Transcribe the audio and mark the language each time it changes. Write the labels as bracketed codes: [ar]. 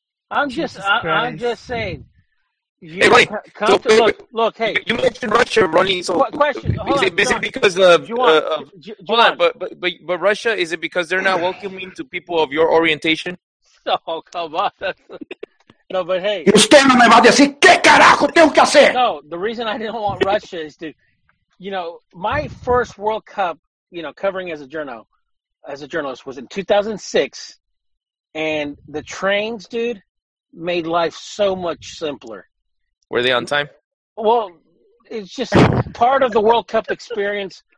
[en] I'm just saying. Hey, Ronnie, look, hey. You mentioned Russia, Ronnie. So question. Is it because Russia, is it because they're not welcoming to people of your orientation? Oh, come on. No, but hey. [es] Usted no me va a decir qué carajo tengo que hacer. [en] No, the reason I didn't want Russia is to, you know, my first World Cup, you know, covering as a journalist was in 2006. And the trains, dude, made life so much simpler. Were they on time? Well, it's just part of the World Cup experience.